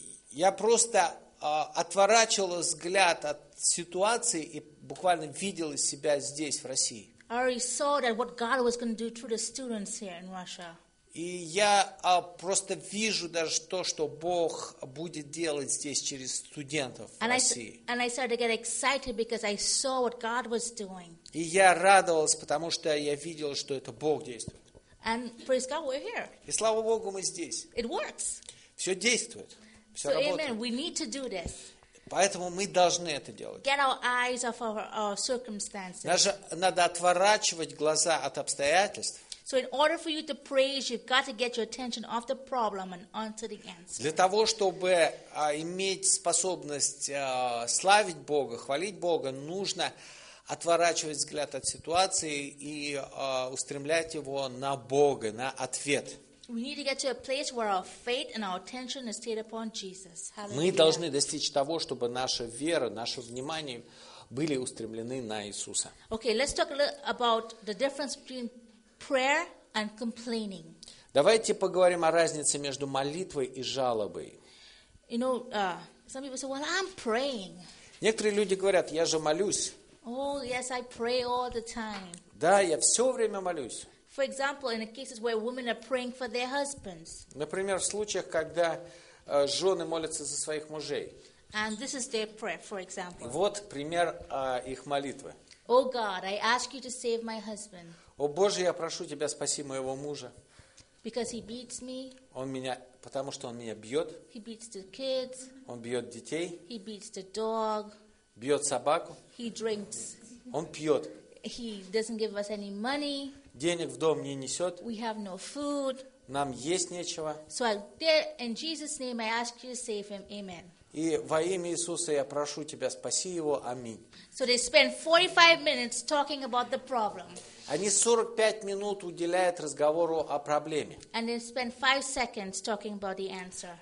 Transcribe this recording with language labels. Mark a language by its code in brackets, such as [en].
[ru] Я просто отворачивал взгляд от ситуации и буквально видел себя здесь, в России. [en] I already saw that what God was going to do through the students here in Russia. [ru] И я просто вижу даже то, что Бог будет делать здесь через студентов в России. [en] And I started to get excited because I saw what God was doing. [ru] И я радовался, потому что я видел, что это Бог действует. [en] And praise God, we're here. [ru] И слава Богу, мы здесь. [en] It works. [ru] Все действует. [en] So, amen. We need to do this. [ru] Поэтому мы должны это делать. [en] Get our eyes off our circumstances. [ru] Надо отворачивать глаза от обстоятельств. [en] So, in order for you to praise, you've got to get your attention off the problem and onto the answer. [ru] Для того чтобы иметь способность славить Бога, хвалить Бога, нужно отворачивать взгляд от ситуации и устремлять его на Бога, на ответ. [en] We need to get to a place where our faith and our attention is stayed upon Jesus. [ru] Мы должны достичь того, чтобы наша вера, наше внимание были устремлены на Иисуса. [en] Okay, let's talk a little about the difference between prayer and complaining. [ru] Давайте поговорим о разнице между молитвой и жалобой. [en] You know, some people say, "Well, I'm praying." [ru] Некоторые люди говорят: "Я же молюсь." [en] Oh, yes, I pray all the time. [ru] Да, я все время молюсь. [en] For example, in the cases where women are praying for their husbands. [ru] Например, в случаях, когда жены молятся за своих мужей. [en] And this is their prayer, for example. [ru] Вот пример их молитвы. [en] Oh God, I ask you to save my husband. [ru] О Боже, я прошу тебя, спаси моего мужа. [en] Because he beats me. [ru] Он меня, потому что он меня бьет. [en] He beats the kids. [ru] Он бьет детей. [en] He beats the dog. [ru] Бьет собаку. [en] He drinks. [ru] Он пьет. [en] He doesn't give us any money. [ru] Денег в дом не несет. [en] We have no food. [ru] Нам есть нечего. [en] So in Jesus' name, I ask you to save him. Amen. [ru] И во имя Иисуса я прошу тебя, спаси его. Аминь. [en] So they spend 45 minutes talking about the problem. [ru] Они 45 минут уделяют разговору о проблеме. [en] And they spend 5 seconds talking about the answer.